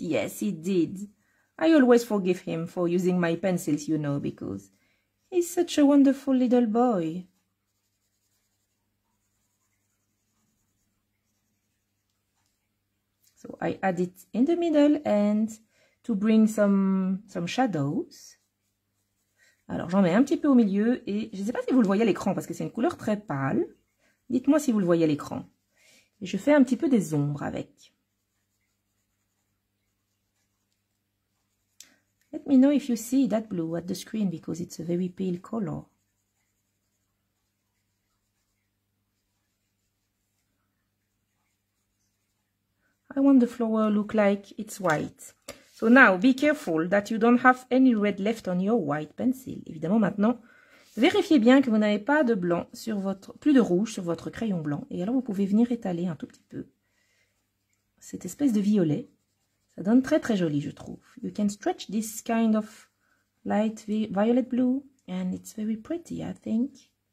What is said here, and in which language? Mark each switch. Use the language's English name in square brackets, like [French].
[English] Yes, he did. I always forgive him for using my pencils, you know, because He's such a wonderful little boy. So I add it in the middle and to bring some shadows. [French] Alors j'en mets un petit peu au milieu et je ne sais pas si vous le voyez à l'écran parce que c'est une couleur très pâle. Dites-moi si vous le voyez à l'écran. Et je fais un petit peu des ombres avec. [English] Let me know if you see that blue at the screen because it's a very pale color. I want the flower look like it's white. So now, be careful that you don't have any red left on your white pencil. [French] Évidemment, maintenant, vérifiez bien que vous n'avez pas de blanc sur votre, plus de rouge sur votre crayon blanc. Et alors, vous pouvez venir étaler un tout petit peu cette espèce de violet. Ça donne très très joli, je trouve. [English] You can stretch this kind of light violet blue and it's very pretty, I think.